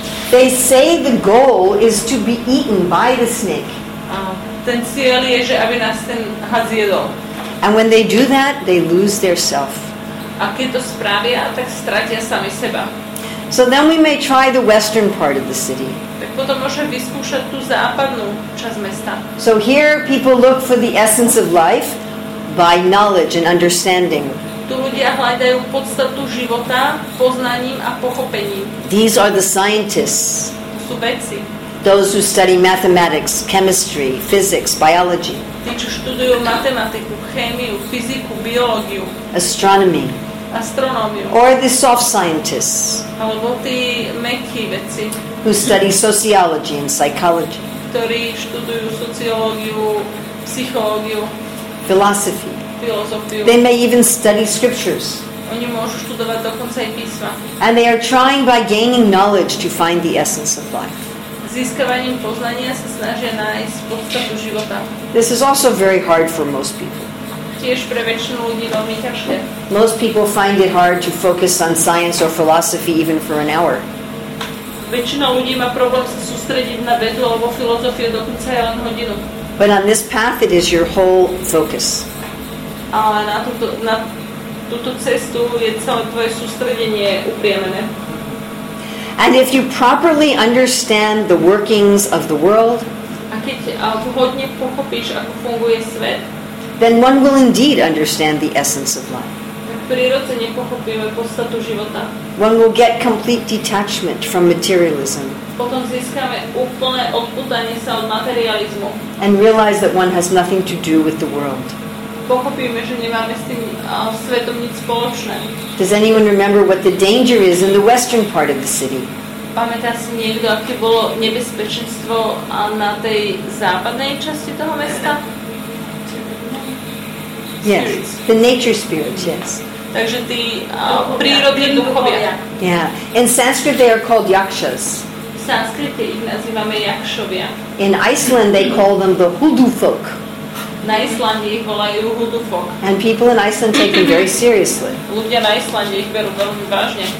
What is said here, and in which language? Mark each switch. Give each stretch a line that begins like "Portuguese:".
English: They say the goal is to be eaten by the snake.
Slovak: Ten cieľ je, že aby nás ten had zjedol.
English: And when they do that, they lose their self.
Slovak: A keď to spravia, tak stratia sami seba.
English: So then we may try the western part of the city.
Slovak: Tak potom môžem vyskúšať tú západnú časť mesta.
English: So here people look for the essence of life by knowledge and understanding.
Slovak: Tu ľudia hľadajú podstatu života poznaním a pochopením.
English: These are the scientists.
Slovak: To sú vedci.
English: Those who study mathematics, chemistry, physics, biology.
Slovak: Tí, čo študujú matematiku, chémiu, fyziku, biológiu.
English: Astronomy.
Slovak: astronómiu.
English: Or the soft scientists.
Slovak: Alebo tí mäkkí vedci.
English: Who study sociology and psychology.
Slovak: Ktorí študujú sociológiu, psychológiu.
English: Philosophy.
Slovak: Filozofiu.
English: They may even study scriptures.
Slovak: Oni môžu študovať dokonca aj písma.
English: And they are trying by gaining knowledge to find the essence of life.
Slovak: Získavaním poznania sa snažia nájsť podstatu života.
English: This is also very hard for most people.
Slovak: Tiež pre väčšinu ľudí veľmi ťažké.
English: Most people find it hard to focus on science or philosophy even for an hour.
Slovak: Väčšina ľudí má problém sa sústrediť na vedu alebo filozofiu dokonca aj len hodinu.
English: But on this path it is your whole focus.
Slovak: Ale na toto, na túto cestu je celé tvoje sústredenie upriamené.
English: And if you properly understand the workings of the world,
Slovak: a keď vhodne pochopíš, ako funguje svet,
English: then one will indeed understand the essence of life.
Slovak: Tak prirodzene pochopíme podstatu života.
English: One will get complete detachment from materialism.
Slovak: Potom získame úplné odpútanie sa od materializmu.
English: And realize that one has nothing to do with the world.
Slovak: Pochopíme, že nemáme s tým svetom nič spoločné.
English: Does anyone remember what the danger is in the western part of the city?
Slovak: Pamätá si niekto, aké bolo nebezpečenstvo na tej západnej časti toho mesta?
English: Yes, spirits. The nature spirits, yes.
Slovak: Takže tí prírodní duchovia.
English: Yeah, in Sanskrit they are called yakshas.
Slovak: V sanskrite ich nazývame yakshovia.
English: In Iceland they call them the huldufolk.
Slovak: Na Islandi ich volajú huldufolk.
English: And people in Iceland take them very seriously.
Slovak: Ľudia na Islandi ich berú veľmi vážne.